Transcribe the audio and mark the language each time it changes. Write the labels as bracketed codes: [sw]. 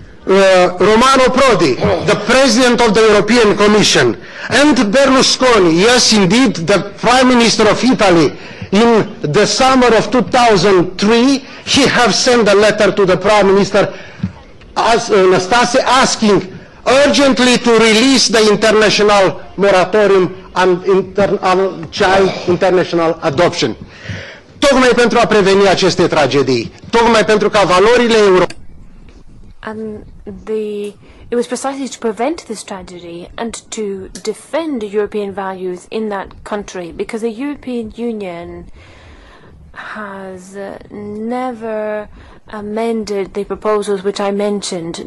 [en] Romano Prodi, the President of the European Commission, and Berlusconi, yes indeed, the Prime Minister of Italy, in the summer of 2003, he have sent a letter to the Prime Minister Nastase asking urgently to release the international moratorium on, on child international adoption. [ro] Tocmai pentru a preveni aceste tragedii, tocmai pentru ca valorile europene. [en] And it was precisely to prevent this tragedy and to defend European values in that country, because the European Union has never amended the proposals which I mentioned.